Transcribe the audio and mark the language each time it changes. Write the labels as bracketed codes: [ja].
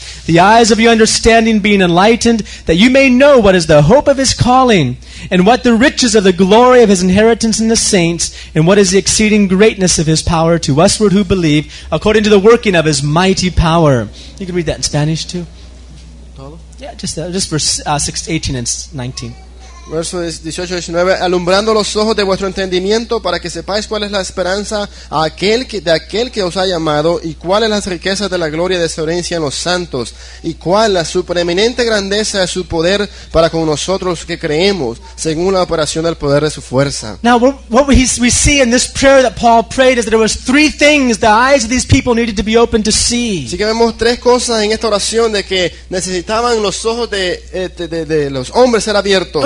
[en] The eyes of your understanding being enlightened, that you may know what is the hope of his calling, and what the riches of the glory of his inheritance in the saints, and what is the exceeding greatness of his power to usward who believe, according to the working of his mighty power. You can read that in Spanish too. Yeah, just verse 18 and 19. [es] Verso 18 y 19, alumbrando los ojos de vuestro entendimiento para que sepáis cuál es la esperanza de aquel que os ha llamado y cuáles las riquezas de la gloria de su herencia en los santos y cuál la supereminente grandeza de su poder para con nosotros que creemos según la operación del poder de su fuerza. [en] Now what we see in this prayer that Paul prayed is that there was three things the eyes of these people needed to be open to see. [es] Así que vemos tres cosas en esta oración de que necesitaban los ojos de los hombres ser abiertos.